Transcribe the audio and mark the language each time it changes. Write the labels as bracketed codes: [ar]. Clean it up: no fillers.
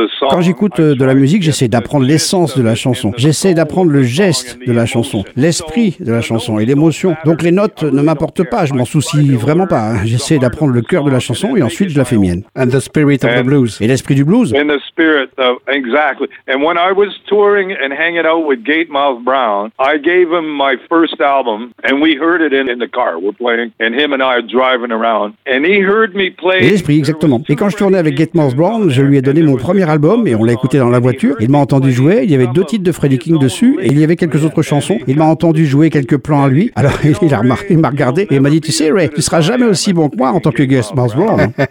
[fr] Quand j'écoute de la musique, j'essaie d'apprendre l'essence de la chanson. J'essaie d'apprendre le geste de la chanson, l'esprit de la chanson et l'émotion. Donc les notes ne m'importent pas, je m'en soucie vraiment pas. J'essaie d'apprendre le cœur de la chanson et ensuite je la fais mienne. [en] And the spirit of the blues. [fr] Et l'esprit du blues. [en] And the spirit of, exactly. And when I was touring and hanging out with Gate Mouth Brown, I gave him my first album and we heard it in the car. We're playing and him and I are driving around and he heard me play. [fr] Et l'esprit, exactement. Et quand je tournais avec Gate Mouth Brown, je lui ai donné mon premier album et on l'a écouté dans la voiture. Il m'a entendu jouer. Il y avait deux titres de Freddie King dessus, et il y avait quelques autres chansons. Il m'a entendu jouer quelques plans à lui, alors il m'a regardé et m'a dit, tu sais Ray, tu seras jamais aussi bon que moi en tant que guest Mouse Brown.